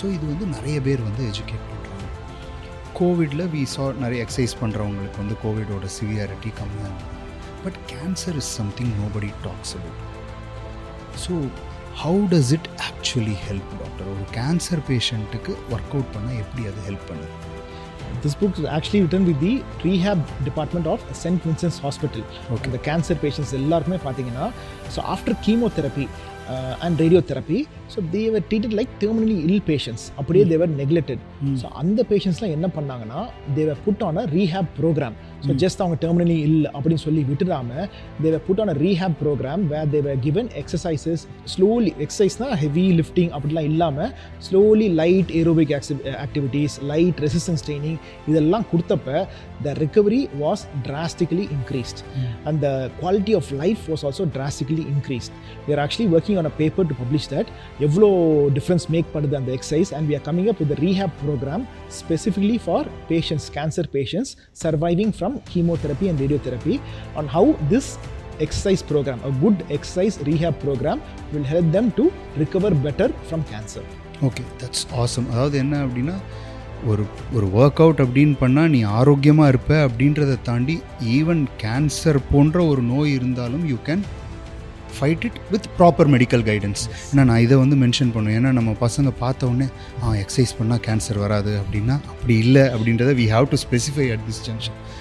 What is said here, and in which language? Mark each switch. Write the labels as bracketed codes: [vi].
[ta] So இது வந்து நிறைய பேர் வந்து எஜுகேட் பண்ணுறாங்க. கோவிடில் [en] we saw [ta] நிறைய எக்ஸசைஸ் பண்ணுறவங்களுக்கு வந்து கோவிடோட சிவியாரிட்டி கம்மியாக இருக்கும். [en] But cancer is something nobody talks about. So how does it actually help doctor? [ta] ஒரு கேன்சர் பேஷண்ட்டுக்கு ஒர்க் அவுட் பண்ணால் எப்படி அது ஹெல்ப் பண்ணுது? [en] This book is actually written with the rehab department of St. Vincent's Hospital. Okay. The cancer patients, ellarume pathinga, so after chemotherapy and radiotherapy, so they were treated like terminally ill patients. Appadiye they were neglected. So and the patients la enna pannanga na, they were put on a rehab program. So just [ta] avanga terminally ill appdi solli vittirama, [en] they were put on a rehab program where they were given exercises slowly. Exercise na heavy lifting [ta] appadla illama, [en] slowly light aerobic activities, light resistance training idellam kuduthappa the recovery was drastically increased and the quality of life was also drastically increased. We are actually working on a paper to publish that evlo difference make padudha and the exercise, and we are coming up with a rehab program specifically for patients, cancer patients surviving from chemotherapy and radiotherapy, on how this exercise program, a good exercise rehab program, will help them to recover better from cancer. Okay, that's awesome. [ta] Adhavad enna appadina ஒரு ஒரு work out அப்படின்னு பண்ணால் நீ ஆரோக்கியமாக இருப்ப அப்படின்றத தாண்டி even cancer போன்ற ஒரு நோய் இருந்தாலும் [en] You can fight it with proper medical guidance. [ta] ஏன்னா நான் இதை வந்து மென்ஷன் பண்ணுவேன், ஏன்னா நம்ம பசங்க பார்த்த உடனே எக்ஸசைஸ் பண்ணால் கேன்சர் வராது அப்படின்னா அப்படி இல்லை அப்படின்றத [en] We have to specify at this junction.